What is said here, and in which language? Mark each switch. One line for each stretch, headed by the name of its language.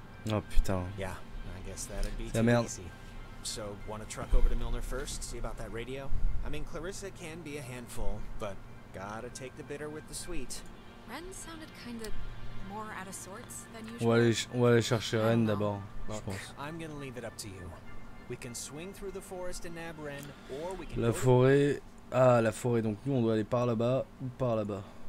French: Oh, putain.
English: Yeah, I guess that'd be too easy. So, want to truck over to Milner first, see about that radio? I mean, Clarissa can be a handful, but gotta take the bitter with the sweet. Ren sounded kind of more out of sorts than usual.
French: On va aller chercher Ren d'abord, je pense.
English: I'm gonna leave it up to you. We can swing through the forest and nab Ren, or we can...
French: La forêt... Ah, la forêt, donc nous on doit aller par là-bas ou par là-bas.